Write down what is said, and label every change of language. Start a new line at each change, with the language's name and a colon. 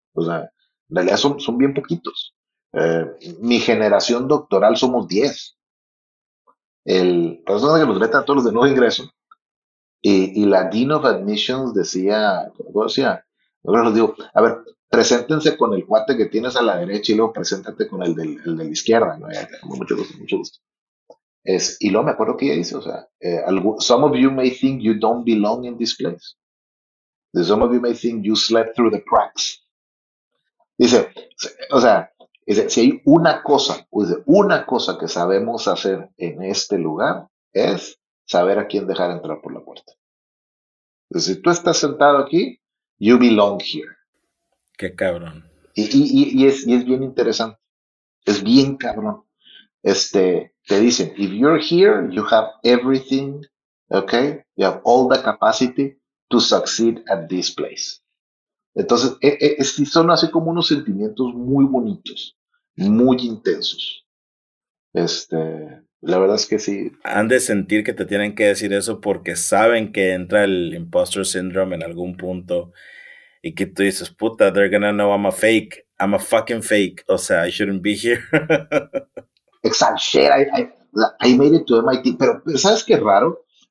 Spanish: O sea, en realidad son bien poquitos. Mi generación doctoral somos 10. Pues, que nos meten a todos los de nuevo ingreso. Y la Dean of Admissions decía, ¿cómo decía? Ahora les digo, a ver, preséntense con el cuate que tienes a la derecha y luego preséntate con el de la izquierda, ¿no? Como mucho gusto, mucho gusto. Y luego me acuerdo que ella dice, o sea,
English: some of you may think you don't belong in this place. Some of you may think you slept through the cracks.
Spanish: Dice, o sea, dice, si hay una cosa, dice, una cosa que sabemos hacer en este lugar es saber a quién dejar entrar por la puerta. Entonces, si tú estás sentado aquí,
English: you belong here.
Spanish: Qué cabrón. Y es bien interesante. Es bien cabrón. Te dicen,
English: if you're here, you have everything, okay? You have all the capacity to succeed at this place.
Spanish: Entonces, son así como unos sentimientos muy bonitos, muy intensos. La verdad es que sí. Han de sentir que te tienen que decir eso porque saben que entra el imposter syndrome en algún punto. Y que tú dices, puta,
English: they're gonna know I'm a fake. I'm a fucking fake.
Spanish: O sea,
English: I shouldn't be here.
Spanish: Exageré,
English: I made it to MIT,
Spanish: pero ¿sabes qué raro?